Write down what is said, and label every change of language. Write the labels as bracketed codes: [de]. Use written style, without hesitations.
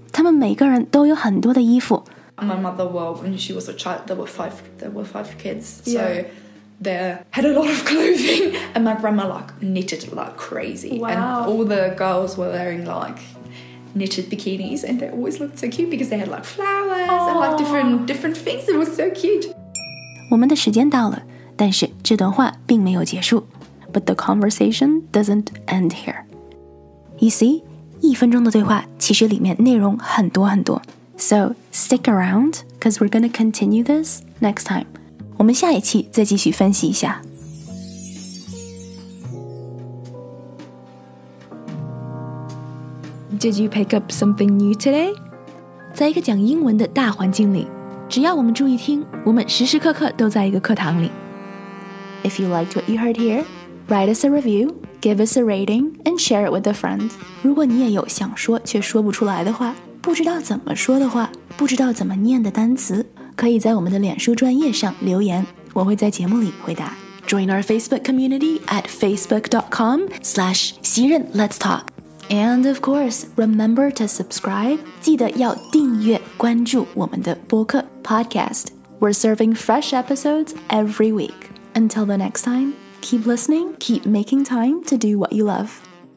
[zh] 他们每个人都有很多的衣服。 [en] My mother, well, when she was a child, there were five kids. Yeah. So they had a lot of clothing. And my grandma, like, knitted like crazy. Wow. And all the girls were wearing, like... knitted bikinis and they always looked so cute because they had like flowers、 Aww. And like different things it was so cute [zh] 我们的时间到了但是这段话并没有结束 [en] but the conversation doesn't end here you see [zh] 一分钟的对话其实里面内容很多很多 [en] so stick around because we're gonna continue this next time [zh] 我们下一期再继续分析一下 [en] Did you pick up something new today? [zh] 在一个讲英文的大环境里，只要我们注意听，我们时时刻刻都在一个课堂里。 [en] If you liked what you heard here, write us a review, give us a rating, and share it with a friend. [zh] 如果你也有想说却说不出来的话，不知道怎么说的话，不知道怎么念的单词，可以在我们的脸书专页上留言，我会在节目里回答。 [en] Join our Facebook community at facebook.com/xiren.let's talk. And of course, remember to subscribe, [zh] 记得要订阅关注我们的播客 [en] podcast. We're serving fresh episodes every week. Until the next time, keep listening, keep making time to do what you love.